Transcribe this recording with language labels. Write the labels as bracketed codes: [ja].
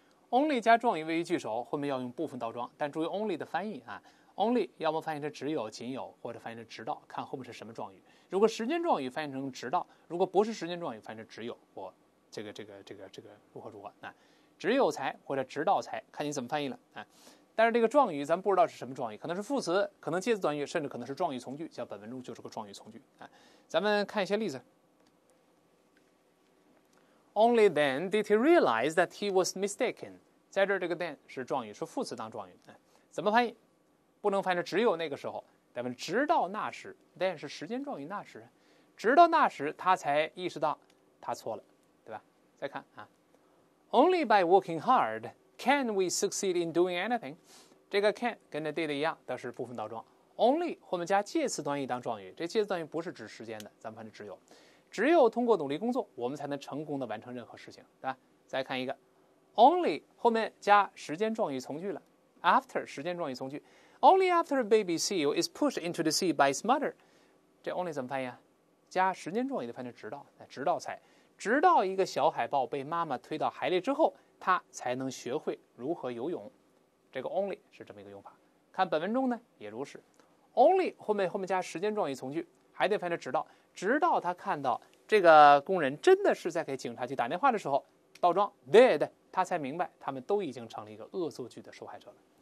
[zh] only 加状语位于句首，后面要用部分倒装，但注意 only 的翻译啊， only 要么翻译成只有仅有，或者翻译成直到，看后面是什么状语，如果时间状语翻译成直到，如果不是时间状语翻译成只有或这个如何如何、啊、只有才或者直到才，看你怎么翻译了、啊、但是这个状语咱不知道是什么状语，可能是副词，可能介词短语，甚至可能是状语从句，像本文中就是个状语从句。咱们看一些例子。 [en] Only then did he realize that he was mistaken. [zh] 在这儿这个 then 是状语，是副词当状语。怎么翻译？不能翻译只有那个时候，咱们直到那时， then 是时间状语，那时，直到那时他才意识到他错了，对吧？再看啊。 [en] Only by working hard can we succeed in doing anything. [zh] 这个 can 跟着 did 一样，都是部分倒装。Only 后面加介词短语当状语，这介词短语不是指时间的，咱们翻译只有。只有通过努力工作，我们才能成功的完成任何事情，对吧？再看一个 ，only 后面加时间状语从句了 ，after 时间状语从句 ， [en] only after a baby seal is pushed into the sea by its mother， [zh] 这 only 怎么翻译啊？加时间状语的翻译直到，直到才，直到一个小海豹被妈妈推到海里之后，它才能学会如何游泳，这个 only 是这么一个用法。看本文中呢也如是 ，only 后面加时间状语从句，还得翻译直到。直到他看到这个工人真的是在给警察局打电话的时候，倒装 did， 他才明白他们都已经成了一个恶作剧的受害者了。